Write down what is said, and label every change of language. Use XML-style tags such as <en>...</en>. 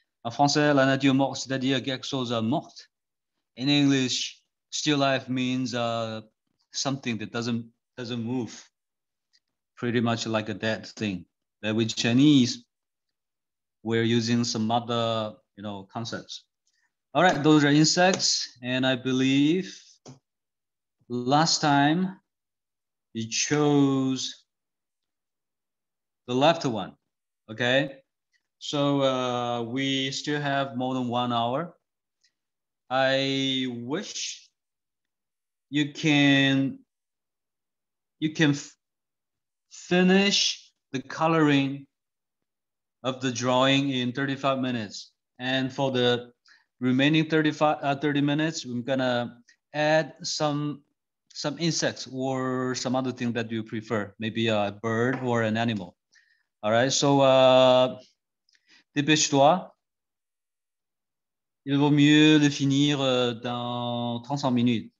<fr>En français, la nature morte, c'est-à-dire quelque chose est mort.</fr> <en>In English, still life means something that doesn't move, pretty much like a dead thing. But with Chinese, we're using some other, you know, concepts. All right, those are insects, and I believe last time you chose the left one, okay? So we still have more than 1 hour. I wish you can finish the coloring of the drawing in 35 minutes. And for the remaining 30 minutes, we're gonna add some insects or some other thing that you prefer, maybe a bird or an animal. All right, so</en> <fr>dépêche-toi. Il vaut mieux le finir dans 35 minutes.</fr>